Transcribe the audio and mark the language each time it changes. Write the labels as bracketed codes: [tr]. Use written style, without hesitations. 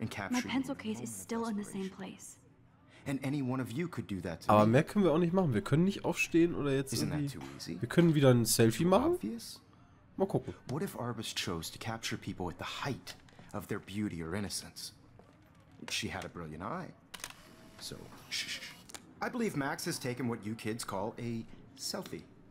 [en] My pencil case is still in the same place. And any one of you could do that to [de] Aber mehr können wir auch nicht machen. Wir können nicht aufstehen oder jetzt irgendwie... Wir können wieder ein Selfie machen. Mal gucken. [en] What if Arbus chose to capture people at the height of their beauty or innocence? She had a brilliant eye. So, I believe Max has taken what you kids call a selfie.